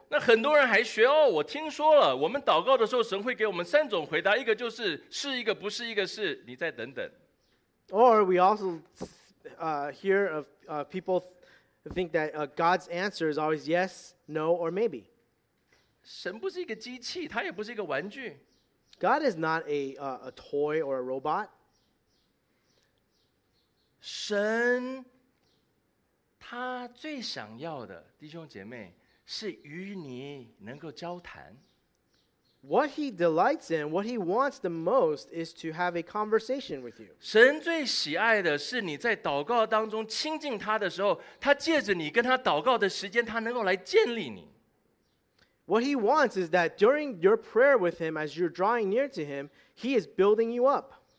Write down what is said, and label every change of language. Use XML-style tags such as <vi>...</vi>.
<zh>那很多人还学哦，我听说了，我们祷告的时候，神会给我们三种回答，一个就是是，一个不是，一个是你再等等。</zh> <en>Or we also hear of people think that God's answer is always yes, no, or maybe.</en> <zh>神不是一个机器，他也不是一个玩具。</zh> <en>God is not a toy or a robot.</en> <zh>神，他最想要的，弟兄姐妹，是与你能够交谈。</zh> <en>What he delights in, what he wants the most, is to have a conversation with you.</en> <zh>神最喜爱的是你在祷告当中亲近他的时候，他借着你跟他祷告的时间，他能够来建立你。</zh> <en>What he wants is that during your prayer with him, as you're drawing near to him, he is building you up.</en>